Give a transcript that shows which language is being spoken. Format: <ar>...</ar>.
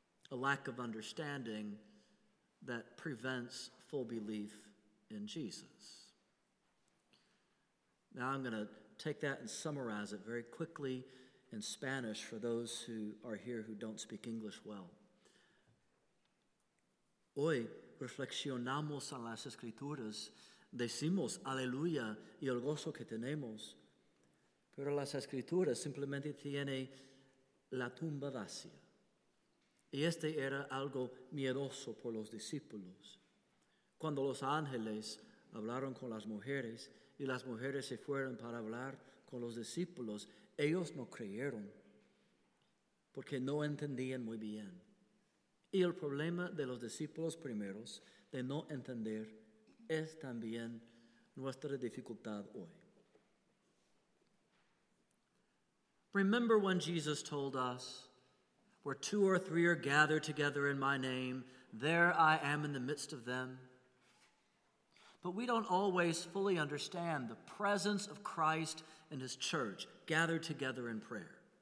<en>A lack of understanding that prevents full belief in Jesus. Now I'm going to take that and summarize it very quickly in Spanish for those who are here who don't speak English well.</en> <es>Hoy reflexionamos en las Escrituras, decimos aleluya y el gozo que tenemos, pero las Escrituras simplemente tienen la tumba vacía. Y este era algo miedoso por los discípulos. Cuando los ángeles hablaron con las mujeres y las mujeres se fueron para hablar con los discípulos, ellos no creyeron porque no entendían muy bien. Y el problema de los discípulos primeros de no entender es también nuestra dificultad hoy.</es> <en>Remember when Jesus told us, where two or three are gathered together in my name, there I am in the midst of them. But we don't always fully understand the presence of Christ and his church gathered together in prayer.</en>